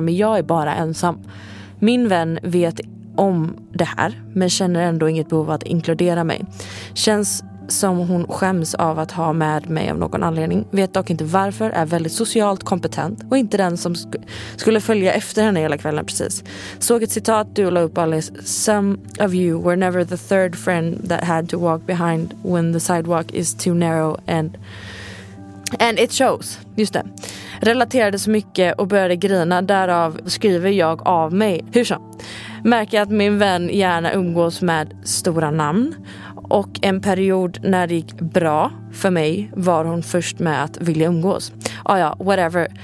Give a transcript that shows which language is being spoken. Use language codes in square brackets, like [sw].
[sv] Men jag är bara ensam. Min vän vet om det här, men känner ändå inget behov att inkludera mig. Känns som hon skäms av att ha med mig av någon anledning. Vet dock inte varför, är väldigt socialt kompetent och inte den som skulle följa efter henne hela kvällen precis. Såg ett citat du la upp Alice. [en] Some of you were never the third friend that had to walk behind when the sidewalk is too narrow and it shows. [sv] Just det. Relaterade så mycket och började grina, därav skriver jag av mig. Hur så? märker jag att min vän gärna umgås med stora namn. Och en period när det gick bra för mig var hon först med att vilja umgås. Ah ja, whatever.